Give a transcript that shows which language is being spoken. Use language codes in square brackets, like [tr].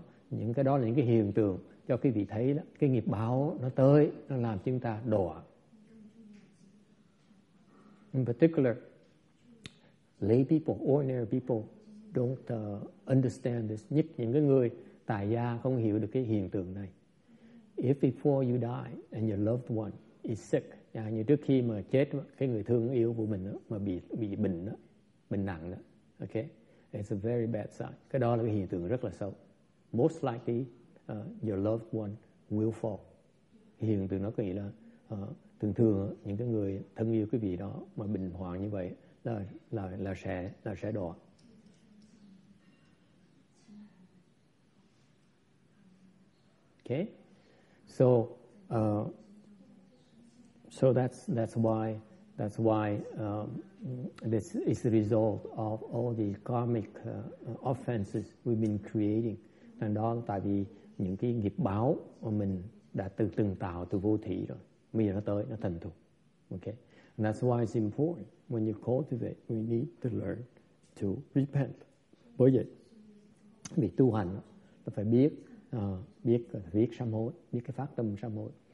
[vi] Những cái đó là những cái hiện tượng cho quý vị thấy đó, cái nghiệp báo nó tới, nó làm chúng ta đọa. [en] In particular, lay people, ordinary people don't understand this. [vi] Nhất những cái người tại gia không hiểu được cái hiện tượng này. [en] If before you die and your loved one is sick, [vi] như trước khi mà chết, cái người thương yêu của mình đó, mà bị bệnh đó, bệnh nặng đó, okay? [en] It's a very bad sign. [vi] Cái đó là cái hiện tượng rất là xấu. [en] Most likely, your loved one will fall. [vi] Hiện tượng nó có nghĩa là thường thường những cái người thân yêu quý vị đó mà bệnh hoạn như vậy là sẽ đọa. [en] Okay, so so that's why this is the result of all the karmic offenses we've been creating. [vi] Thành đó tại vì những cái nghiệp báo mà mình đã từng tạo từ vô thủy rồi, bây giờ nó tới, nó thành thục. [en] Okay, and that's why it's important when you cultivate, we need to learn to repent. [vi] Bởi vậy, vì tu hành ta phải biết biết sám hối, biết cái phát tâm sám hối.